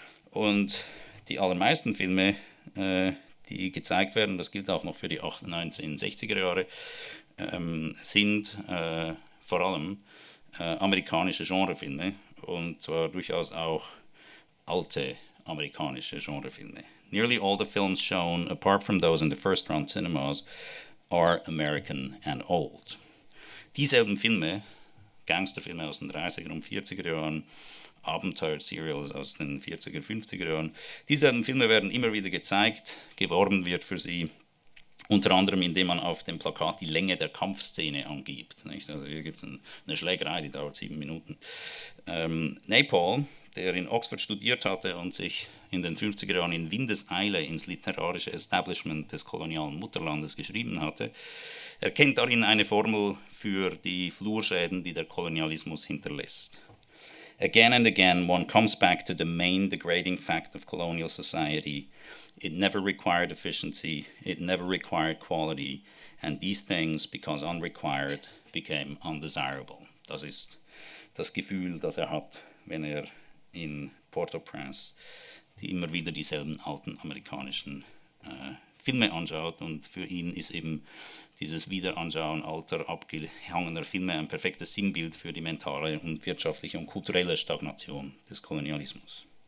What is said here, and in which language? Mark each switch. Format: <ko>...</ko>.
<de>Und die allermeisten Filme, die gezeigt werden, das gilt auch noch für die 1960er Jahre, sind vor allem amerikanische Genrefilme und zwar durchaus auch alte amerikanische Genrefilme.</de> <en>Nearly all the films shown, apart from those in the first run cinemas, are American and old.</en> <de>Dieselben Filme, Gangsterfilme aus den 30er und 40er Jahren, Abenteuer-Serials aus den 40er und 50er Jahren, dieselben Filme werden immer wieder gezeigt, geworben wird für sie, unter anderem, indem man auf dem Plakat die Länge der Kampfszene angibt. Nicht? Also hier gibt es eine Schlägerei, die dauert 7 Minuten. Naipaul, der in Oxford studiert hatte und sich in den 50er Jahren in Windeseile ins literarische Establishment des kolonialen Mutterlandes geschrieben hatte, erkennt darin eine Formel für die Flurschäden, die der Kolonialismus hinterlässt.</de> <en>Again and again, one comes back to the main degrading fact of colonial society. It never required efficiency, it never required quality, and these things, because unrequired, became undesirable.</en> <de>Das ist das Gefühl, das hat, wenn in Port-au-Prince die immer wieder dieselben alten amerikanischen Filme anschaut. Und für ihn ist eben dieses Wiederanschauen alter, abgehangener Filme ein perfektes Sinnbild für die mentale und wirtschaftliche und kulturelle Stagnation des Kolonialismus.</de>